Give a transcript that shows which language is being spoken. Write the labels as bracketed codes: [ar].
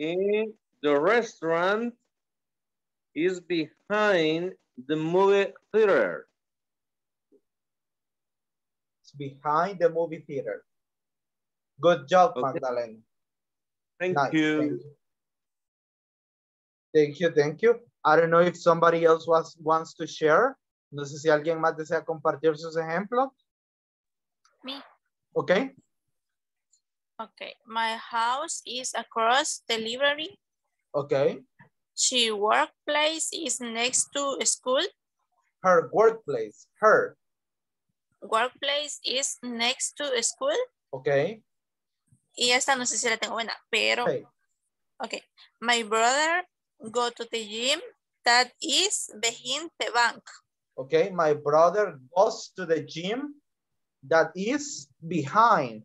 [en] And the restaurant is behind the movie theater. Behind the movie theater. Good job, okay. Magdalene. Thank you. I don't know if somebody else wants to share. [es] No sé si alguien más desea compartir sus ejemplos. [en] Me. Okay. Okay. My house is across the library. Okay. She workplace is next to a school. Her workplace. Her. Workplace is next to a school. Okay. [es] Y esta no sé si la tengo buena, pero. [en] Okay. My brother go to the gym that is behind the bank. Okay. My brother goes to the gym that is behind.